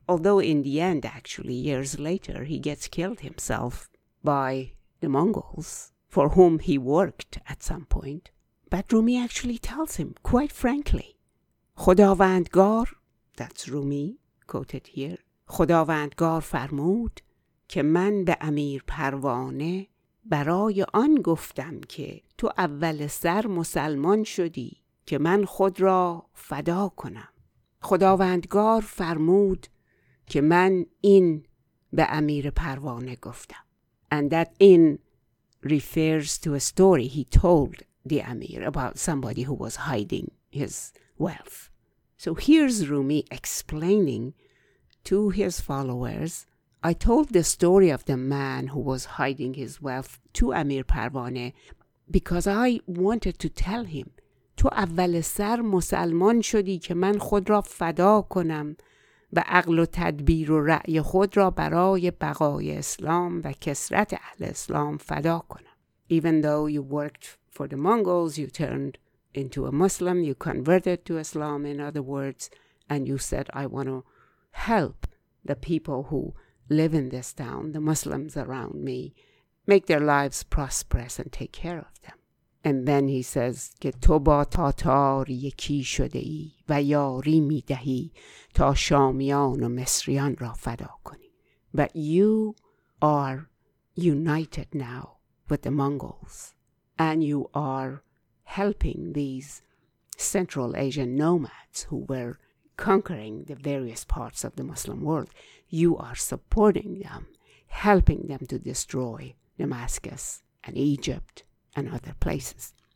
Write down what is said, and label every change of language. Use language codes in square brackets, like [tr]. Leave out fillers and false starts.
[en] Although in the end, actually, years later, he gets killed himself by the Mongols, for whom he worked at some point. But Rumi actually tells him, quite frankly, Khudavandgar, that's Rumi quoted here, Khudavandgar farmood, [fa] که من به امیر پروانه برای آن گفتم که تو اول سر مسلمان شدی که من خود را فدا کنم. خداوندگار فرمود که من این به امیر پروانه گفتم. [en] And that in refers to a story he told the Amir about somebody who was hiding his wealth. So here's Rumi explaining to his followers, I told the story of the man who was hiding his wealth to Amir Parvane because I wanted to tell him, [fa] تو اول سر مسلمان شدی که من خود را فدا کنم و عقل و تدبیر و رأی خود را برای بقای اسلام و کثرت اهل اسلام فدا کنم. [en] Even though you worked for the Mongols, you turned into a Muslim, you converted to Islam, in other words, and you said, I want to help the people who live in this town, the Muslims around me, make their lives prosperous and take care of them. And then he says, [fa] که تو با تاتار یکی شده ای و یاری می دهی تا شامیان و مصریان را فدا کنی. [en] But you are united now with the Mongols and you are helping these Central Asian nomads who were conquering the various parts of the Muslim world. You are supporting them, helping them to destroy Damascus and Egypt and other places.